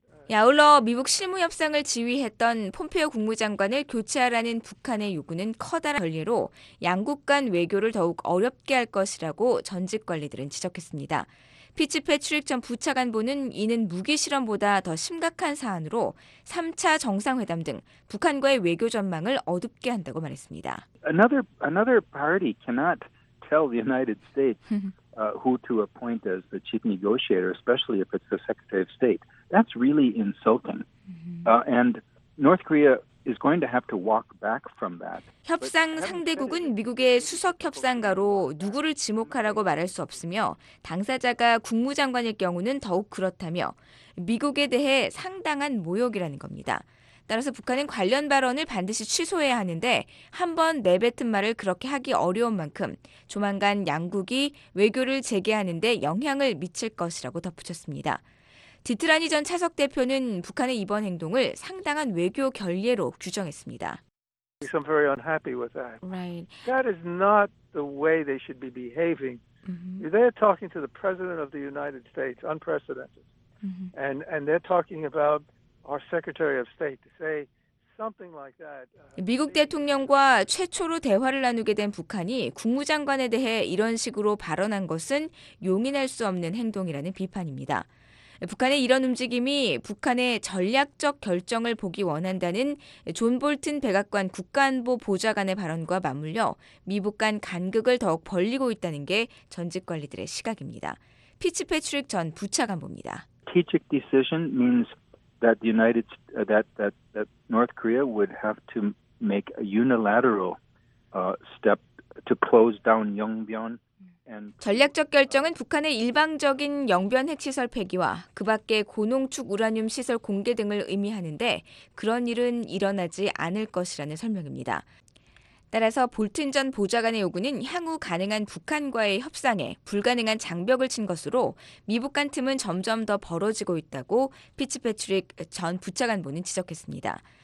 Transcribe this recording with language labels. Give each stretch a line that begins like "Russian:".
Korean: 야울러 미국 실무협상을 지휘했던 폼페이오 국무장관을 교체하라는 북한의 요구는 커다란 결례로 양국 간 외교를 더욱 어렵게 할 것이라고 전직 관리들은 지적했습니다. 피츠 패트릭 전 부차관보는 이는 무기실험보다 더 심각한 사안으로 3차 정상회담 등 북한과의 외교 전망을 어둡게 한다고 말했습니다.
English: Another party cannot tell the United States who to appoint as the chief negotiator, especially if it's the Secretary of State. That's really insulting. And North Korea is going to have to walk back from that.
Korean: 협상 상대국은 미국의 수석 협상가로 누구를 지목하라고 말할 수 없으며 당사자가 국무장관일 경우는 더욱 그렇다며 미국에 대해 상당한 모욕이라는 겁니다. 따라서 북한은 관련 발언을 반드시 취소해야 하는데 한 번 내뱉은 말을 그렇게 하기 어려운 만큼 조만간 양국이 외교를 재개하는 데 영향을 미칠 것이라고 덧붙였습니다. 디트라니 전 차석 대표는 북한의 이번 행동을 상당한 외교 결례로 규정했습니다.
English: I'm very unhappy with that. Right. That is not the way they should be behaving. Mm-hmm. They're talking to the president of the United States, unprecedented. Mm-hmm. And they're talking about our Secretary of State to say something like that.
Korean: 미국 대통령과 최초로 대화를 나누게 된 북한이 국무장관에 대해 이런 식으로 발언한 것은 용인할 수 없는 행동이라는 비판입니다. 북한의 이런 움직임이 북한의 전략적 결정을 보기 원한다는 존 볼튼 백악관 국가안보 보좌관의 발언과 맞물려 미북 간 간극을 더욱 벌리고 있다는 게 전직 관리들의 시각입니다. 피츠패트릭 전 부차관보입니다.
English: Strategic decision means that the United that North Korea would have to make a unilateral step to close down Yongbyon.
Korean: 전략적 결정은 북한의 일방적인 영변 핵시설 폐기와 그 밖의 고농축 우라늄 시설 공개 등을 의미하는데 그런 일은 일어나지 않을 것이라는 설명입니다. 따라서 볼튼 전 보좌관의 요구는 향후 가능한 북한과의 협상에 불가능한 장벽을 친 것으로 미북 간 틈은 점점 더 벌어지고 있다고 피츠패트릭 전 부차관보는 지적했습니다.